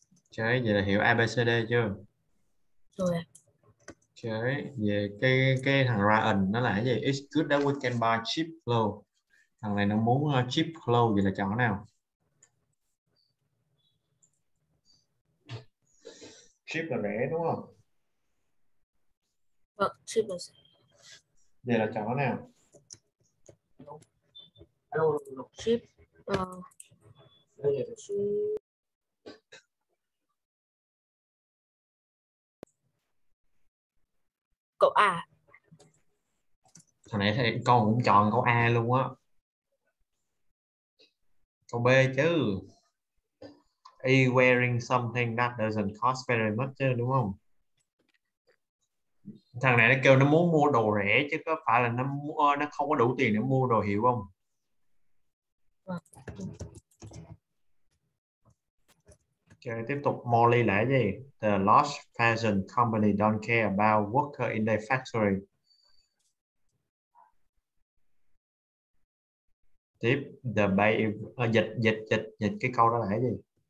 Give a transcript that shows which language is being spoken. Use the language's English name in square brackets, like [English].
[Vietnamese] Trời, vậy là hiểu ABCD chưa? Rồi. Trời, về cái thằng Ryan nó là cái gì? [English] It's good that we can buy cheap clothes. [Vietnamese] Thằng này nó muốn [English] cheap clothes, [Vietnamese] vậy là chọn nào? Cheap là rẻ đúng không? Vâng, cheap là rẻ. Vậy là chọn nào? [English] Cheap. [Vietnamese] Câu A. Thằng này thì con cũng chọn câu A luôn á. Câu B chứ. [English] Are you wearing something that doesn't cost very much [Vietnamese] chứ, đúng không? Thằng này nó kêu nó muốn mua đồ rẻ chứ có phải là nó không có đủ tiền để mua đồ, hiểu không? Okay, tiếp tục. Molly là gì? [English] The large fashion company don't care about worker in their factory. [Vietnamese] Tiếp, the bay dịch cái câu đó là cái gì?